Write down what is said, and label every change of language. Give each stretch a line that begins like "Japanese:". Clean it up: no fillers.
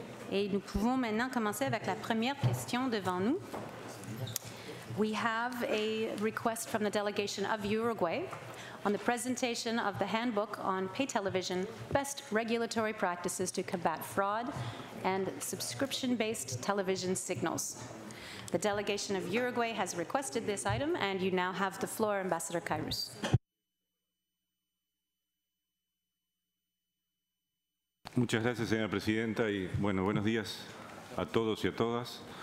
French: Et nous pouvons maintenant commencer avec la première question devant nous.
English: We have a request from the delegation of Uruguay on the presentation of the handbook on pay television, best regulatory practices to combat fraud and subscription-based television signals. The delegation of Uruguay has requested this item, and you now have the floor, Ambassador Kairos.
Spanish: Muchas gracias, señora presidenta, y bueno, buenos días a todos y a todas.